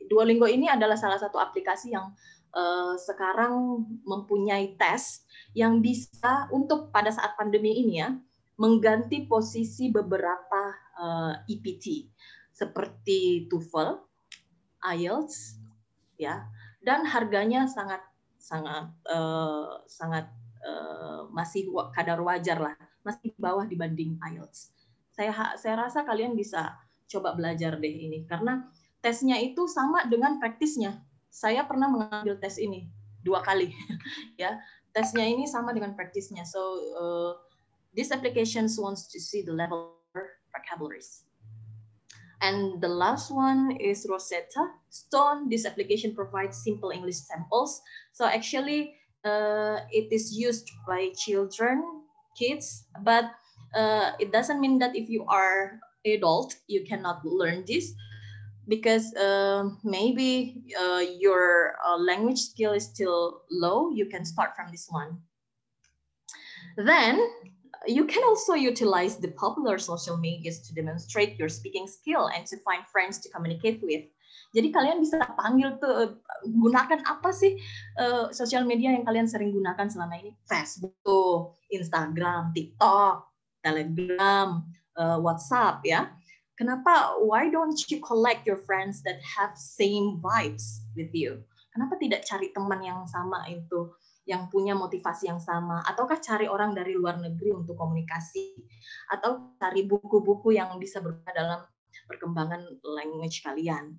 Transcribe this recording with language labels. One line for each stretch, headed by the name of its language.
Indonesian: Duolingo ini adalah salah satu aplikasi yang sekarang mempunyai tes yang bisa untuk pada saat pandemi ini ya mengganti posisi beberapa EPT seperti TOEFL, IELTS, ya, dan harganya sangat sangat sangat masih kadar wajar lah, masih bawah dibanding IELTS. Saya rasa kalian bisa coba belajar deh ini karena tesnya itu sama dengan praktisnya. Saya pernah mengambil tes ini dua kali, ya. Tesnya ini sama dengan praktisnya.
English: So this application wants to see the level of vocabularies. And the last one is Rosetta Stone. This application provides simple English samples. So actually, it is used by children, kids. But it doesn't mean that if you are adult, you cannot learn this. Because maybe your language skill is still low, you can start from this one. Then you can also utilize the popular social medias to demonstrate your speaking skill and to find friends to communicate with.
Indonesian: Jadi kalian bisa panggil tuh, gunakan apa sih social media yang kalian sering gunakan selama ini? Facebook, Instagram, TikTok, Telegram, WhatsApp, ya. Kenapa,
English: why don't you collect your friends that have same vibes with you?
Indonesian: Kenapa tidak cari teman yang sama itu, yang punya motivasi yang sama? Ataukah cari orang dari luar negeri untuk komunikasi? Atau cari buku-buku yang bisa berguna dalam perkembangan language kalian?